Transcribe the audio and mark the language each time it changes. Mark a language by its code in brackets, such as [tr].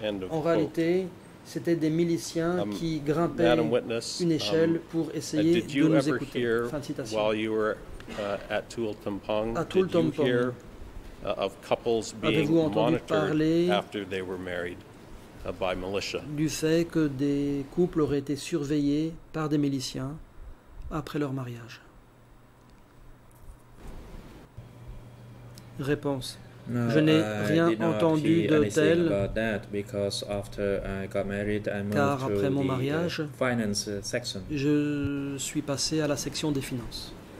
[fr] En réalité, c'était des miliciens qui grimpaient une échelle pour essayer de nous écouter. Fin de citation. [en] While you were at Tuol Tampong, [fr] à Tuol Tampong, [en] of couples being monitored after they were married by militia. [fr] Du fait que des couples auraient été surveillés par des miliciens après leur mariage. Réponse. [en] No, [fr] je n'ai rien entendu de tel car après mon mariage, je suis passé à la section des finances.